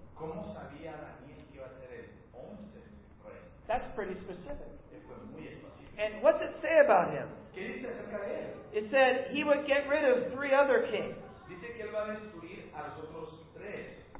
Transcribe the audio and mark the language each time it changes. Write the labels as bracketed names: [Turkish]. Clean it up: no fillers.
[Spanish] ¿Cómo sabía Daniel que iba a ser el once rey? [English] That's pretty specific. [Spanish] Fue muy específico. [English] And what's it say about him? [Spanish] ¿Qué dice acerca de él? [English] It said he would get rid of three other kings. [Spanish] Dice que él va a destruir a los otros tres.